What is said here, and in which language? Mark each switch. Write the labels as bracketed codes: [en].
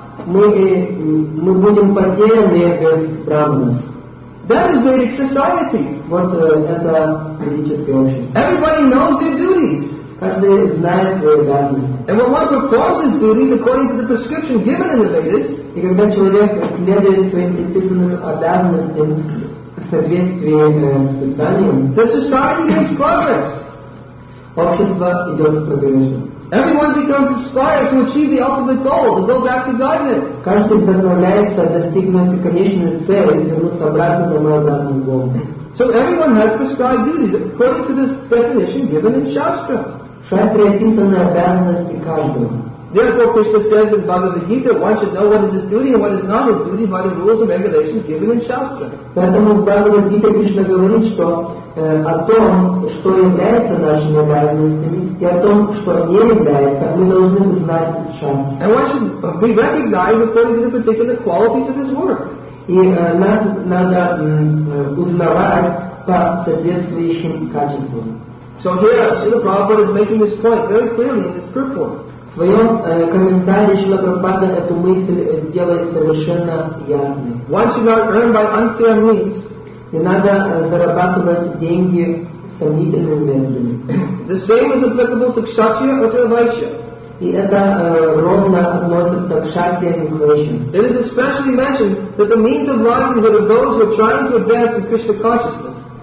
[ru] Мы будем потеряны без Брахмана. [en] That is Vedic society. [ru] Вот это ведическое общество. [en] Everybody knows their duties. [ru] Каждый знает свои обязанности. [en] And when one performs his duties according to the prescription given in the Vedas, [ru] и когда человек следует своим предписанным обязанностям в соответствии с Писанием, [en] the society makes progress. [ru] Общество идет в прогрессе. [en] Everyone becomes inspired to achieve the ultimate goal, to go back to Godhead. [ru] Каждый вдохновляется достигнуть конечную цель и вернуться обратно домой обратно к Богу. [en] So everyone has prescribed duties according to the definition given in Shastra. [ru] Шастре описаны обязанности каждого. [en] Therefore, Krishna says in Bhagavad Gita, one should know what is his duty and what is not his duty by the rules and regulations given in Shastra. [ru] Поэтому в Bhagavad Gita Krishna говорит, что о том, что является нашими обязанностями, и о том, что не является, мы должны знать Шастре. [en] And one should be recognized according to the particular qualities of his work. [ru] И нас надо узнавать по соответствующим качествам. [en] So here, Srila Prabhupada is making this point very clearly in his purport. [ru] В своем комментарии Шрила Прабхупада эту мысль делает совершенно ясной. [en] One should not earn by unfair means. [ru] Не надо зарабатывать деньги сомнительными методами. [en] The same is applicable to kshatriya or to vaishya. [ru] И это ровно относится к кшатриям и к вайшьям. [en] It is especially mentioned that the means of livelihood of those who are trying to advance in Krishna consciousness.